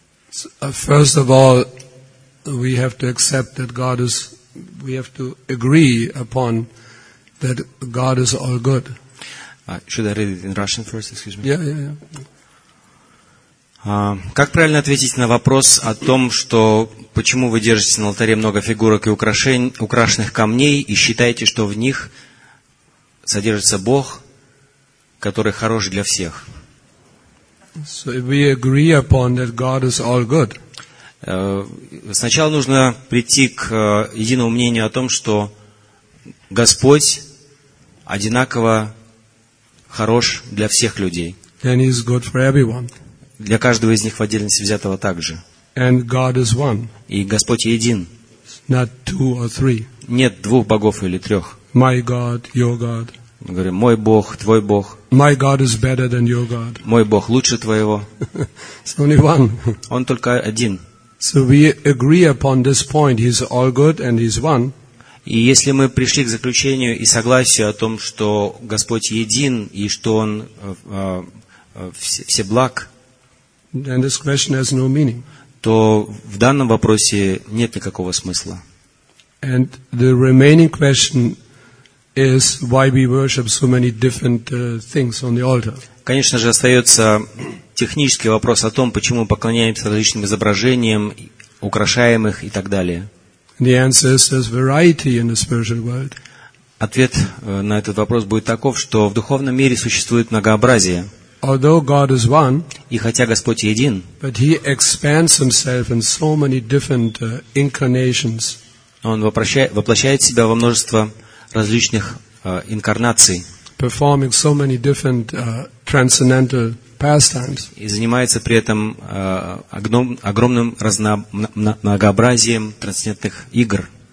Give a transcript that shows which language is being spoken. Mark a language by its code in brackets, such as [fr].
[en] So, first of all, we have to accept that God is, we have to agree upon that God is all good. Should I read it in Russian first, excuse me? Yeah. [ru] Как правильно ответить на вопрос о том, что почему вы держите на алтаре много фигурок и украшенных камней и считаете, что в них содержится Бог, который хорош для всех? [en] So if we agree upon that God is all good. [ru] Сначала нужно прийти к единому мнению о том, что Господь одинаково хорош для всех людей. [en] And he is good for everyone. [ru] Для каждого из них в отдельности взятого также. [en] And God is one. [ru] И Господь един. [en] Not two or three. [ru] Нет двух богов или трех. [en] My God, your God. [ru] Мы говорим, мой Бог, твой Бог. [en] My God is better than your God. [ru] Мой Бог лучше твоего. [en] It's only one. [ru] Он только один. [en] So we agree upon this point. He's all good and he's one. [ru] И если мы пришли к заключению и согласию о том, что Господь един и что Он всеблаг, [en] then this question has no meaning. [ru] То в данном вопросе нет никакого смысла. [en] And the remaining question is why we worship so many different things on the altar. [ru] Конечно же, остается технический вопрос о том, почему мы поклоняемся различным изображениям, украшаем их и так далее. [en] The answer is there's variety in the spiritual world. [ru] Ответ на этот вопрос будет таков, что в духовном мире существует многообразие. [en] Although God is one, [ru] и хотя Господь един, [en] but He expands Himself in so many different incarnations. [ru] Он воплощает себя во множество различных инкарнаций. [en] Performing so many different transcendental pastimes. [ru] И занимается при этом огромным многообразием трансцендентных игр.